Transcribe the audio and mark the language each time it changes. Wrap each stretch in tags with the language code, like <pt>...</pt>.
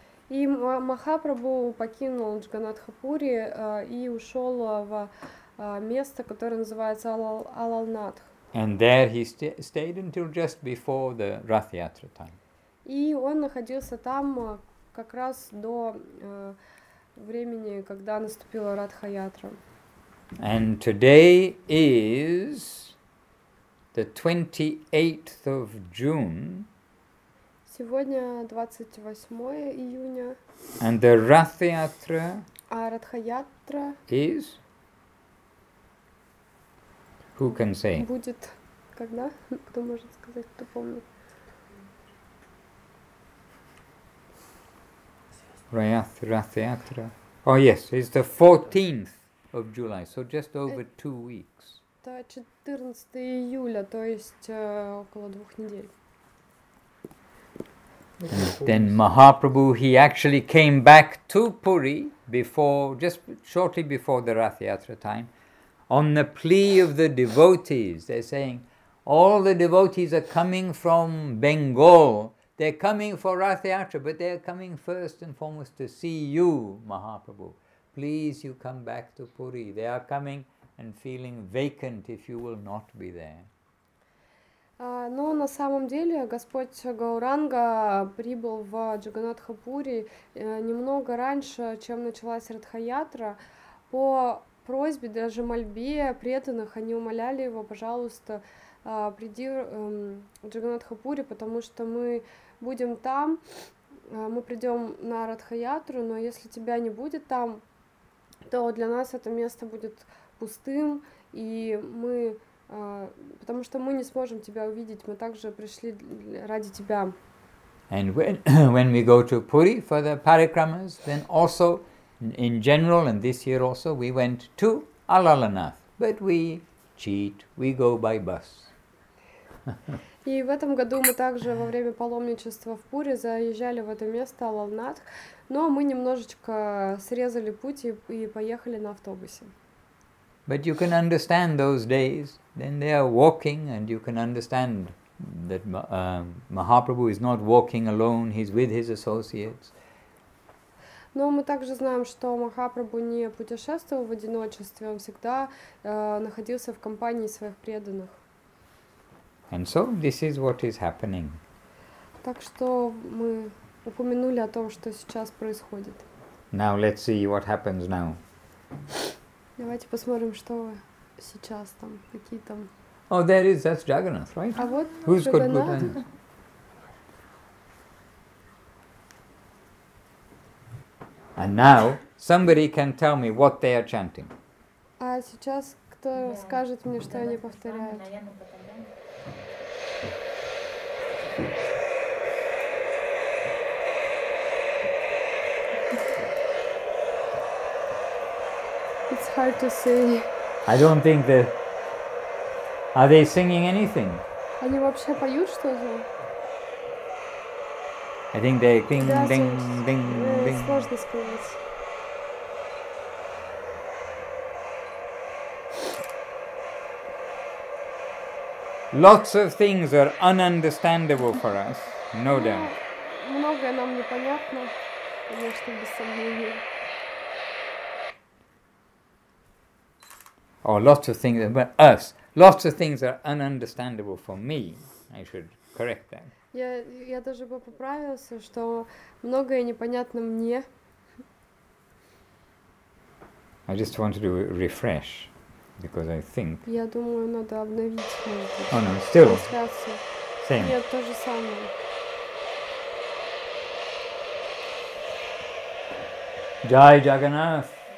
<ru>И Махапрабху покинул Джаганнатхапури и ушел в место, которое называется Алалнатх.</ru> <en>And there he stayed until just before the Rath Yatra time.</en> <ru>И он находился там как раз до времени, когда наступила Ратха Ятра.</ru> <en>And today is the 28th of June.</en> <ru>Сегодня 28 июня.</ru> <en>And the Rath Yatra.</en> <ru>А Ратха Ятра</ru> <en>is. Who can say?</en> <ru>Будет когда? Кто может сказать, кто помнит?</ru> <en>Rath Yatra. Oh yes, it's the 14th of July. So just over 2 weeks.</en> <ru>Это 14 июля, то есть около 2 недель.</ru> <en>And then Mahaprabhu, he actually came back to Puri before, just shortly before the Rath Yatra time, on the plea of the devotees. They're saying, all the devotees are coming from Bengal. They're coming for Rath Yatra, but they're coming first and foremost to see you, Mahaprabhu. Please, you come back to Puri. They are coming and feeling vacant if you will not be there.</en> <ru>Но на самом деле Господь Гауранга прибыл в Джаганнатхапури немного раньше, чем началась Радхаятра. По просьбе, даже мольбе преданных, они умоляли его, пожалуйста, приди в Джаганнатхапури, потому что мы будем там, мы придем на Радхаятру, но если тебя не будет там, то для нас это место будет пустым, и мы... потому что мы не сможем тебя увидеть, мы также пришли ради тебя.</ru> <en>And when we go to Puri for the parikramas, then also in general and this year also we went to Alalanath, but we cheat, we go by bus.</en> <ru>И в этом году мы также во время паломничества в Пури заезжали в это место Алалнатх, но мы немножечко срезали путь и поехали на автобусе.</ru> <en>But you can understand those days, then they are walking, and you can understand that Mahaprabhu is not walking alone, he's with his associates.</en> <ru>Но мы также знаем, что Махапрабху не путешествовал в одиночестве, он всегда находился в компании своих преданных.</ru> <en>And so this is what is happening.</en> <ru>Так что мы упомянули о том, что сейчас происходит.</ru> <en>Now let's see what happens now.</en> <ru>Давайте посмотрим, что сейчас там, какие там.</ru> <en>Oh, there is, that's Jagannath, right?</en> <ru>А вот</ru> <en>Who's Jagannath? Got good hands? And now somebody can tell me what they are chanting.</en> <ru>А сейчас кто скажет мне, что они повторяют?</ru> <en>It's hard to say. I don't think that... Are they singing anything?</en> <ru>Они вообще поют что-то?</ru> <en>I think they ding, ding, ding, ding. Ding.</en> <ru>Сложно сказать.</ru> <en>Lots of things are ununderstandable for us, no doubt.</en> <ru>Многое нам непонятно, конечно, без сомнения.</ru> <en>Or lots of things about us. Lots of things are ununderstandable for me. I should correct that.</en> <ru>Я даже бы поправился, что многое непонятно мне.</ru> <en>I just wanted to refresh, because I think.</en> <ru>Я думаю, надо обновить.</ru> <en>Oh no, still. Same.</en> <ru>Я то же самое.</ru> <hi>Jai Jagannath.</hi>